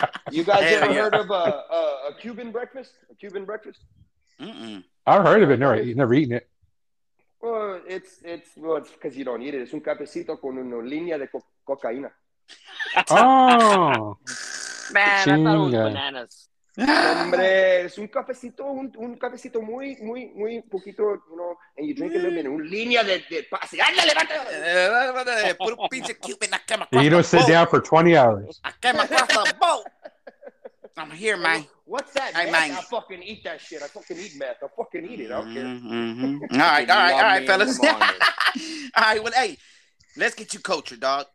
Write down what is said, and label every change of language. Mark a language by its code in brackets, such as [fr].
[en] You guys ever heard of a Cuban breakfast? A Cuban breakfast? Mm-mm. I've heard of it. Never eaten it. Well, it's because you don't eat it. It's [es] un cafecito con una línea de cocaína. [en] Oh, man! [es] Chinga. [en] I thought it was bananas. [es] Hombre, es un cafecito, un cafecito muy, muy, muy poquito, [en] you know, and you drink a little bit in [es] un línea de pase. ¡Ándale, levanta! Puro pinche [en] Cuban, I came across. You don't sit down for 20 hours. I came across the boat. I'm here, man. What's that? Hey, man. I fucking eat that shit. I fucking eat meth. I fucking eat it. I don't care. All right, fellas. All right, well, hey, let's get you cultured, dog.